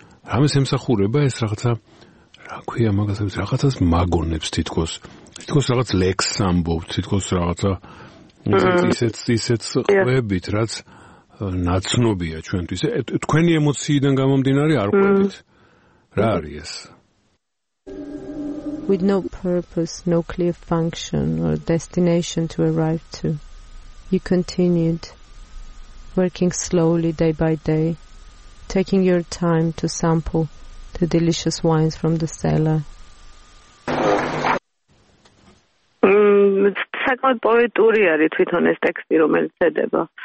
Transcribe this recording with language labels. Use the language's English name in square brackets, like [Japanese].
[Georgian] რამის ემსახურება ეს რაღაცა, რა ქვია მაგასაც, რაღაცას მაგონებს თითქოს. თითქოს რაღაც ლექს ამბობთ, თითქოს რაღაცა ისეთ ყვებით, რაც ნაცნობია ჩვენთვის. თქვენი ემოციიდან გამომდინარე არ ყვებით. რა არის ეს? [English] With no purpose, no clear function or destination to arrive to, you continued working slowly day by day, taking your time to sample the delicious wines from the cellar. [Georgian] საკმაოდ პოეტური არის თვითონ ეს ტექსტი, რომელიც ედება.